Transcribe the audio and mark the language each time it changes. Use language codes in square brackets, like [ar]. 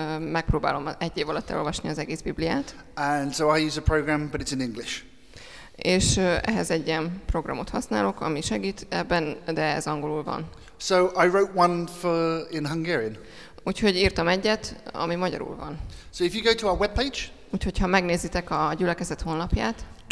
[hu] megpróbálom egy év alatt elolvasni az egész Bibliát. [en] And so I use a program, but it's in English. [hu] És ehhez egy ilyen programot használok, ami segít ebben, de ez angolul van. [en] So I wrote one for in Hungarian. [hu] Úgyhogy írtam egyet, ami magyarul van. [en] So if you go to our webpage, [hu] úgyhogy ha megnézitek a gyülekezet honlapját,